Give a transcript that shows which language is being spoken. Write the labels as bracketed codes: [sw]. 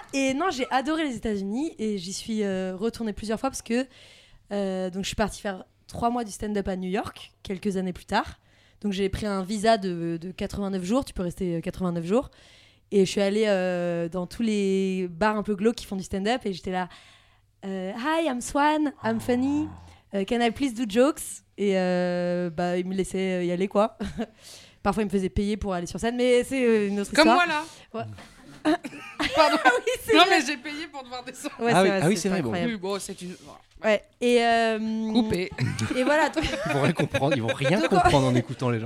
[fr] Et non, j'ai adoré les États-Unis et j'y suis retournée plusieurs fois parce que... donc, je suis partie faire 3 mois du stand-up à New York, quelques années plus tard. Donc, j'ai pris un visa de 89 jours. Tu peux rester 89 jours. Et je suis allée dans tous les bars un peu glauques qui font du stand-up et j'étais là... [en] Hi, I'm Swan, I'm funny, can I please do jokes? [fr] Et bah, ils me laissaient y aller, quoi. Parfois, ils me faisaient payer pour aller sur scène, mais c'est une autre comme Comme moi, là. Ouais. Pardon. Oui, c'est non, vrai. Mais j'ai payé pour devoir descendre. Ouais, c'est vrai. Oui, bon, c'est une... Ouais. Et, coupé. Et voilà. Toi... Ils vont rien comprendre, ils vont rien donc, comprendre en écoutant les gens.